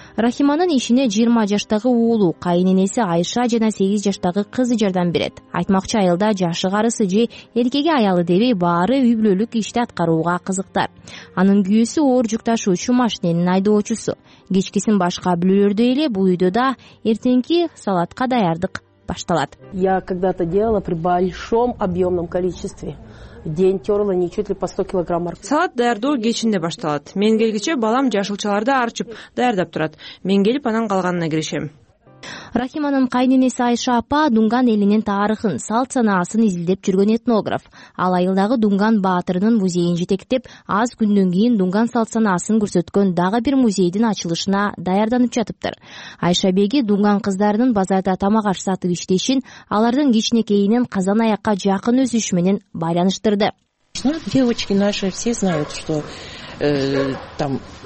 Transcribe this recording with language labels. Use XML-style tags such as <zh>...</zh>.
<ky>Рахиманын ишине 20 жаштагы уулу, кайынэнеси Айша жана 8 жаштагы кызы жардам берет. Айтмакчы, айылда жашы карысы же эркеги аялы деби баары үй бүлөлүк ишти аткарууга кызыктар. Анын күйөөсү оор жүк ташуучу машиненин айдоочусу. Кечкисин башка бүлөлөрдөй эле бул үйдө да эртеңки салатка даярдык башталат.</ky> <ru>Я когда-то делала при большом объемном количестве. День терла не чуть ли по 100 килограмм.</ru> <ky>Салат даярдоо кечинде башталат. Мен келгиче балам жашылчаларды арчып даярдап турат. Мен келип анан калганына киришем. Рахиманын кайынэнеси Айша апа Дунган элинин тарыхын, салт санаасын изилдеп жүргөн этнограф. Ал айылдагы Дунган баатырынын музейин жетектеп, аз күндөн кийин Дунган салт санаасын көрсөткөн дагы бир музейдин ачылышына даярданып жатыптыр. Айша беги Дунган кыздарынын базарда тамак аш сатып иштешин алардын кичинекейинен казан аякка жакын өсүшү менен байланыштырды.</ky> <ru>Девочки наши все знают, что там</ru>